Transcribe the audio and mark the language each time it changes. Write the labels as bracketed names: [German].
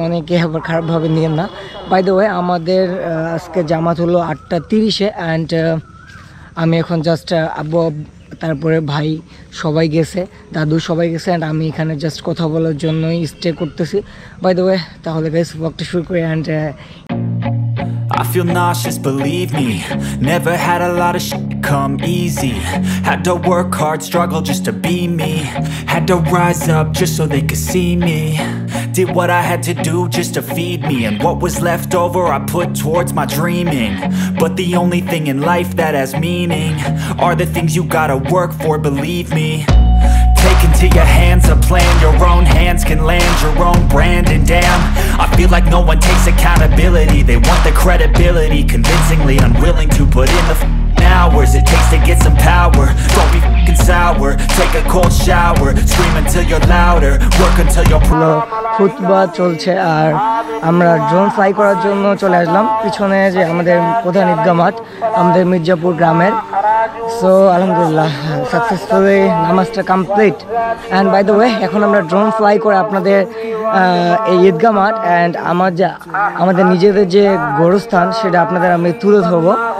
[Bangla] অনেকে আবার খারাপভাবে নিয়েন না, [English] by the way [Bangla] আমাদের আজকে জামাত হলো 8:30 অ্যান্ড আমি এখন জাস্ট আব্বু তারপরে ভাই সবাই গেছে, দাদু সবাই গেছে, অ্যান্ড আমি এখানে জাস্ট কথা বলার জন্যই স্টে করতেছি। [English] by the way [Bangla] তাহলে গাইস ব্লগটা শুরু করি। [English] And I feel nauseous, believe me. Never had a lot of shit come easy. Had to work hard, struggle just to be me. Had to rise up just so they could see me. Did what I had to do just to feed me. And what was left over I put towards my dreaming. But the only thing in life that has meaning are the things you gotta work for, believe me. Into your hands a plan, your own hands can land your own brand. And damn, I feel like no one takes accountability. They want the credibility, convincingly unwilling to put in the hours it takes to get some power. Don't be f***ing sour, take a cold shower, scream until you're louder, work until you're proud. [Bangla] Hello, খুতবা চলছে আর আমরা drone fly করার জন্য চলে আসলাম পিছনে যে আমাদের প্রধান ঈদগাহ মাঠ আমাদের মির্জাপুর গ্রামের। সো আলহামদুলিল্লাহ সাকসেসফুলি নামাজটা complete. And [English] by the way [Bangla] এখন আমরা ড্রোন ফ্লাই করে আপনাদের এই ঈদগাহ মাঠ অ্যান্ড আমাদের নিজেদের যে গড়স্থান সেটা আপনাদের আমি তুলে ধরবো।